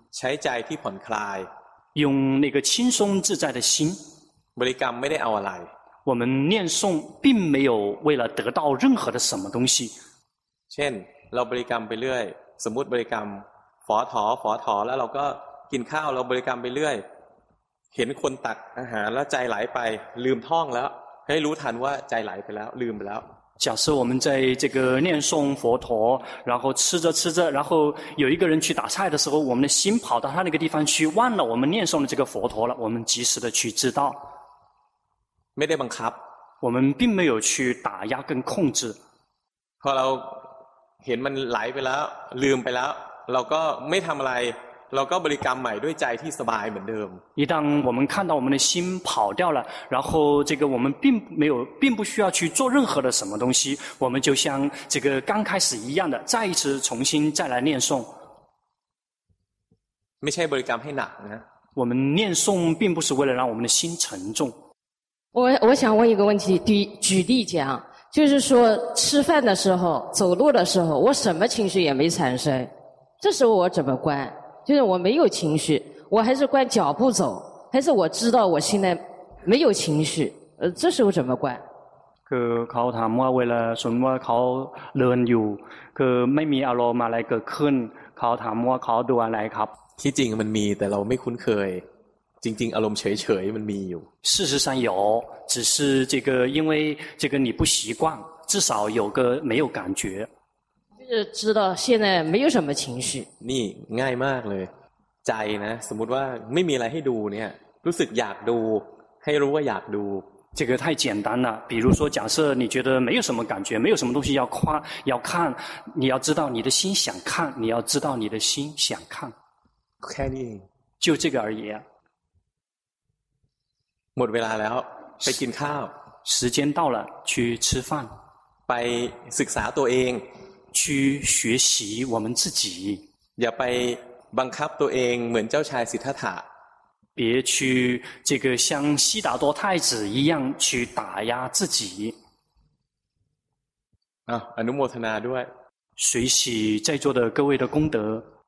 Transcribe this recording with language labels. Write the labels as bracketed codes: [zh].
[th] ใช้ใจที่ผ่อนคลาย。 [zh] 用那个轻松自在的心。 [th] บริกรรมไม่ได้เอาอะไร。 [zh] 我们念诵并没有为了得到任何的什么东西。 [th] ช่นเราบริกรรมไปเรื่อยสมมุติบริกรรมฝอถอฝอถอแล้วเราก็กินข้าวเราบริกรรมไปเรื่อยเห็นคนตักอาหารแล้วใจไหลไปลืมท่องแล้วให้รู้ทันว่าใจไหลไปแล้วลืมไปแล้ว [zh] 假设我们在这个念诵佛陀，然后吃着吃着，然后有一个人去打菜的时候，我们的心跑到他那个地方去，忘了我们念诵的这个佛陀了。我们及时的去知道。没得 [th] บังคับ。 [zh] 我们并没有去打压跟控制。 [th] พอเราเห็นมันไหลไปแล้วลืมไปแล้วเราก็ไม่ทำอะไรเราก็บริกรรมใหม่ด้วยใจที่สบายเหมือนเดิม。 [zh] 一旦我们看到我们的心跑掉了，然后这个我们并没有，并不需要去做任何的什么东西，我们就像这个刚开始一样的，再一次重新再来念诵。 [th] ไม่ใช่บริกรรมให้หนักนะ。 [zh] 我们念诵并不是为了让我们的心沉重。我想问一个问题，举例讲。就是说吃饭的时候走路的时候我什么情绪也没产生，这时候我怎么观？就是我没有情绪，我还是观脚步走，还是我知道我现在没有情绪，这时候怎么观？ [th] คือเขาถามว่าเวลาสมมติว่าเขาเดินอยู่คือไม่มีอารมณ์อะไรเกิดขึ้นเขาถามว่าเขาดูอะไรครับ ที่จริงมันมีแต่เราไม่คุ้นเคยจริงๆอารมณ์เฉยๆมันมีอยู่ [zh] 事实上有只是这个因为这个你不习惯至少有个没有感觉就是知道现在没有什么情绪 [th] นี่ง่ายมากเลยใจนะสมมติว่าไม่มีอะไรให้ดูเนี่ยรู้สึกอยากดูให้รู้ว่าอยากดู [zh] 这个太简单了比如说假设你觉得没有什么感觉没有什么东西要夸要看你要知道你的心想看你要知道你的心想看 [th] แค่นี้ [zh] 就这个而已 [th] หมดเวลาแล้วไปกินข้าว [zh] 时间到了去吃饭 [th] ไปศึกษาตัวเอง [zh] 去学习我们自己 [th] อย่าไปบังคับตัวเองเหมือนเจ้าชายสิทธัตถะ [zh] 别去这个像悉达多太子一样去打压自己 [th] อนุโมทนาด้วย [zh] 随喜在座的各位的功德